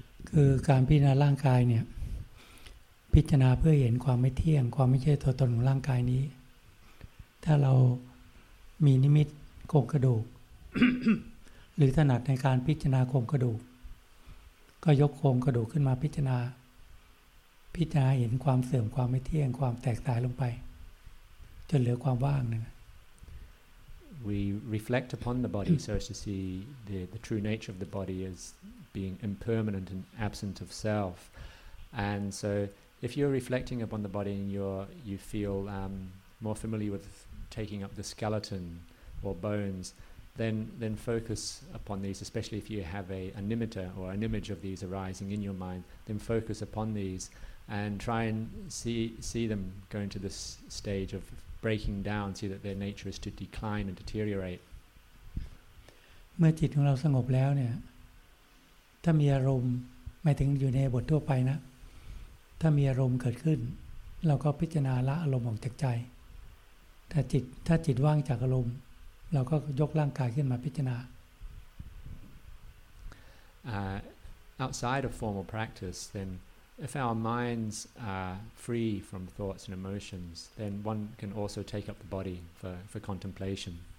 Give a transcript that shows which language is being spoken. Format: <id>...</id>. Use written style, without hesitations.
<th>คือการพิจารณาร่างกายเนี่ยพิจารณาเพื่อเห็นความไม่เที่ยงความไม่ใช่ตัวตนของร่างกายนี้ถ้าเรามีนิมิตโครงกระดูก หรือถนัดในการพิจารณาโครงกระดูกก็ยกโครงกระดูกขึ้นมาพิจารณาเห็นความเสื่อมความไม่เที่ยงความแตกตายลงไปจนเหลือความว่างนึง</th> <en>We reflect upon the body so as to see the true nature of the body as being impermanent and absent of self and soIf you're reflecting upon the body and you feel more familiar with taking up the skeleton or bones, then focus upon these, especially if you have an imita or an image of these arising in your mind, then focus upon these and try and see them go into this stage of breaking down, see that their nature is to decline and deteriorate.</en> <th>เมื่อจิตของเราสงบแล้วเนี่ยถ้ามีอารมณ์ไม่ถึงอยู่ในบททั่วไปนะถ้ามีอารมณ์เกิดขึ้นเราก็พิจารณาละอารมณ์ออกจากใจถ้าจิตว่างจากอารมณ์เราก็ยกร่างกายขึ้นมาพิจารณา</th> <en>outside of formal practice then if our minds are free from thoughts and emotions then one can also take up the body for contemplation</en>